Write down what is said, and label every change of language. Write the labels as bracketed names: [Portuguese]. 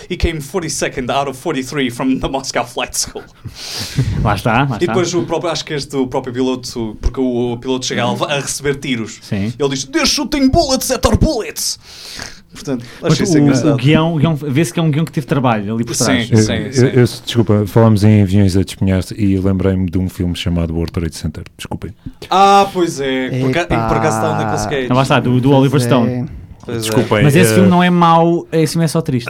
[English] He came 42nd out of 43 from the Moscow Flight School." [Portuguese] Lá está, lá está. E depois, o próprio piloto, porque o piloto chega a receber tiros. Sim. Ele diz [English] "They're shooting bullets at our bullets!" [Portuguese] Portanto, o guião vê-se que é um guião que teve trabalho ali por trás. Sim, Eu, desculpa, falámos em aviões a despenhar e lembrei-me de um filme chamado World Trade Center. Desculpem. Ah, pois é. Por acaso está o Nicolas Cage. Lá está, do Oliver Stone. Desculpem. Mas esse filme não é mau, esse filme é só triste.